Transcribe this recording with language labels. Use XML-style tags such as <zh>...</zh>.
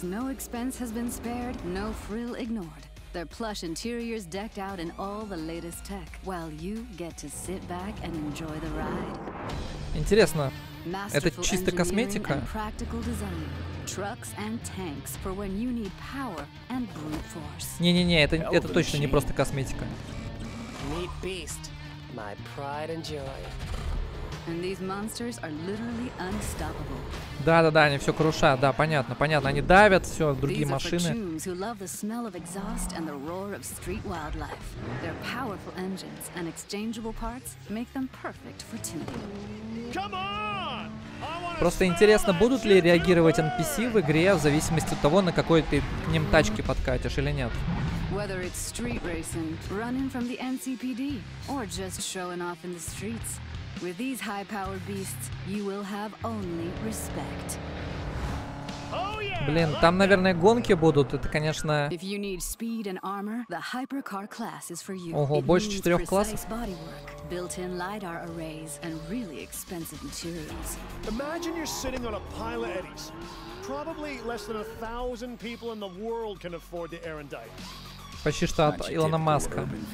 <en>No expense has been spared, no frill ignored. Their plush interiors decked out in all the latest tech, while you get to sit back and enjoy the ride.</en> <ru>Интересно, это чисто косметика?</ru> <en>Practical design, trucks and tanks for when you need power and brute force.</en> <ru>Не-не-не, это точно не просто косметика.</ru> <en>Meet beast, my pride and joy. And these monsters are literally unstoppable.</en> <ru>Да, они все крушат, да, понятно, они давят все другие машины.</ru> <en>These are for tunes who love the smell of exhaust and the roar of street wildlife. Their powerful engines and exchangeable parts make them perfect for tuning. Come on! I want to</en> <ru>Просто интересно, будут ли реагировать NPC в игре в зависимости от того, на какой ты к ним тачке подкатишь или нет.</ru> <en>Whether it's street racing, running from the NCPD, or just showing off in the streets, with these high-powered beasts, you will have only respect.</en> <ru>Блин, там, наверное, гонки будут, это, конечно... Armor, ого, больше 4 классов.</ru> <en>Built-in LiDAR arrays and really expensive materials. Imagine you're sitting on a pile of eddies. Probably less than 1,000 people in the world can afford the Erendite.</en> <ru>Почти что от Илона Маска.</ru>